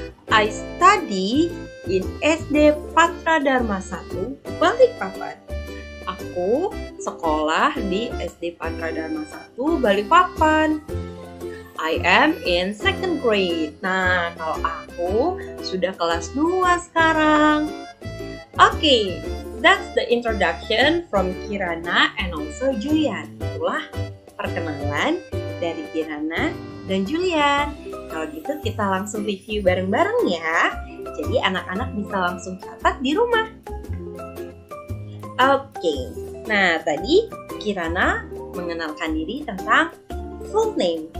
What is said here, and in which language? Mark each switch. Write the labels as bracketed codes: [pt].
[en] I study in SD Patra Dharma 1 Balikpapan. [id] Aku sekolah di SD Patra Dharma 1 Balikpapan. [en] I am in second grade. [id] Nah, kalau aku sudah kelas 2 sekarang. [en] Okay, that's the introduction from Kirana and also Julian. [id] Itulah perkenalan dari Kirana dan Julian. Kalau gitu kita langsung review bareng-bareng ya. Jadi anak-anak bisa langsung catat di rumah. Okay, nah tadi Kirana mengenalkan diri tentang full name.